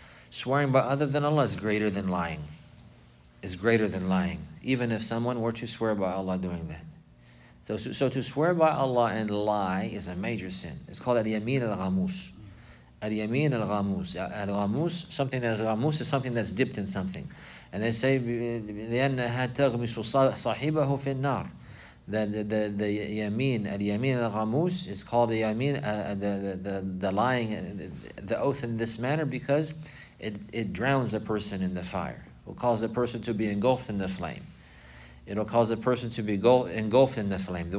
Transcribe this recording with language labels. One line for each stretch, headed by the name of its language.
English: Swearing by other than Allah is greater than lying. Is greater than lying. Even if someone were to swear by Allah doing that. So to swear by Allah and lie is a major sin. It's called al-yamin al-ghamus. Al-yamin al-ghamus. Al-ghamus, something that is ghamus, is something that's dipped in something. And they say,
Arabic: لِأَنَّهَا تَغْمِسُ صَاحِبَهُ فِي النَّارِ.
English: The yamin, al-yamin al-ghamus, is called the yamin, the lying, the oath in this manner, because it drowns a person in the fire. It will cause a person to be engulfed in the flame. It will cause a person to be engulfed in the flame.